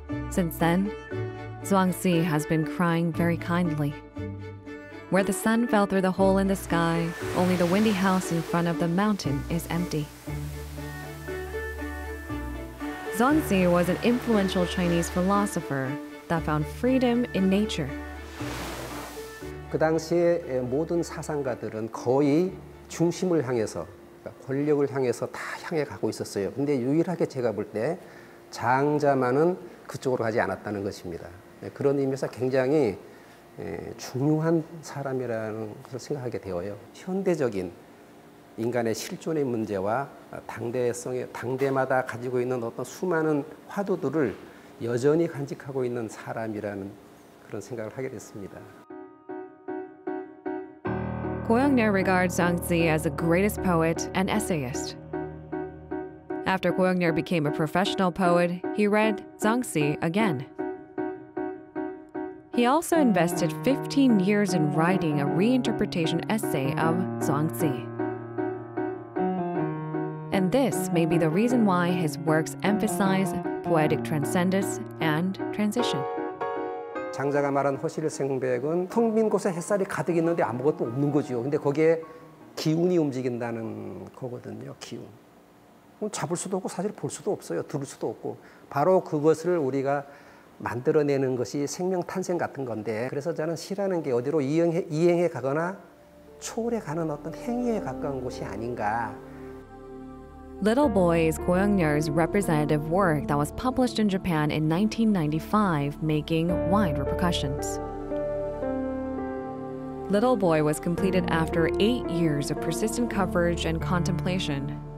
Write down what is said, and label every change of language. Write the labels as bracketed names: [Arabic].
[English] Since then, Zhuangzi has been crying very kindly. "Where the sun fell through the hole in the sky, only the windy house in front of the mountain is empty." Zhuangzi was an influential Chinese philosopher that found freedom in nature. [Korean] 그 당시에 모든 사상가들은 거의 중심을 향해서, 권력을 향해서 다 향해 가고 있었어요. 근데 유일하게 제가 볼 때 장자만은 그쪽으로 가지 않았다는 것입니다. 그런 의미에서 굉장히 중요한 사람이라는 것을 생각하게 되어요. 현대적인 인간의 실존의 문제와 당대성의 당대마다 가지고 있는 어떤 수많은 화두들을 여전히 간직하고 있는 사람이라는 그런 생각을 하게 됐습니다. [English] Goyeongnae regards Zhang Zi as the greatest poet and essayist. After Goyeongnae became a professional poet, he read Zhang Zi again. He also invested 15 years in writing a reinterpretation essay of Zhang Zi. And this may be the reason why his works emphasize poetic transcendence and transition. [Korean] 장자가 말한 호실생백은 텅 빈 곳에 햇살이 가득 있는데 아무것도 없는 거죠. 근데 거기에 기운이 움직인다는 거거든요, 기운. 잡을 수도 없고 사실 볼 수도 없어요, 들을 수도 없고. 바로 그것을 우리가 만들어내는 것이 생명 탄생 같은 건데 그래서 저는 시라는 게 어디로 이행해 가거나 초월해 가는 어떤 행위에 가까운 곳이 아닌가. [English] Little Boy is Goyeongnae's representative work that was published in Japan in 1995, making wide repercussions. Little Boy was completed after 8 years of persistent coverage and contemplation.